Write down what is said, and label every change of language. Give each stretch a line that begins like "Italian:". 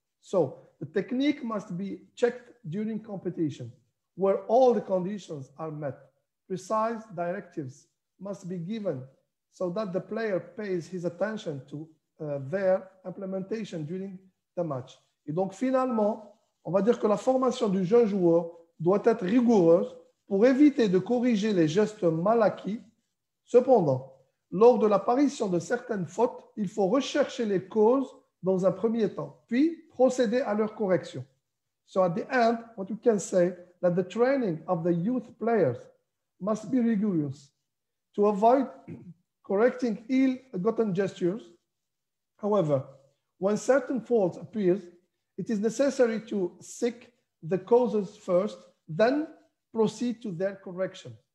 English: So the technique must be checked during competition where all the conditions are met. Precise directives must be given so that the player pays his attention to their implementation during the match.
French: Et donc finalement, on va dire que la formation du jeune joueur doit être rigoureuse pour éviter de corriger les gestes mal acquis. Cependant, lors de l'apparition de certaines fautes, il faut rechercher les causes dans un premier temps, puis procéder à leur correction.
English: So at the end, what you can say that the training of the youth players must be rigorous to avoid correcting ill-gotten gestures. However, when certain faults appear, it is necessary to seek the causes first, then proceed to their correction.